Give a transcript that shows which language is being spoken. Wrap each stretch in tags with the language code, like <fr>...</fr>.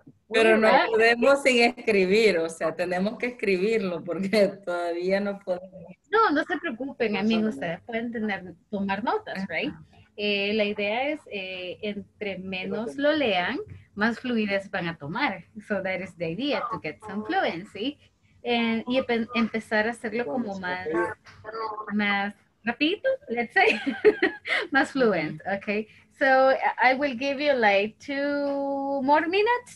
<es>Pero no podemos sin escribir, o sea, tenemos que escribirlo porque todavía no podemos. No, no se preocupen, amigos, ustedes pueden tomar notas, ¿right? La idea es, entre menos lo lean, más fluidez van a tomar.</es> <en>So that is the idea, to get some fluency.</en> <es>Y empezar a hacerlo como más rapidito,</es> <en>let's say,</en> <es>más fluent, okay.</es> <en>So I will give you like 2 more minutes.</en>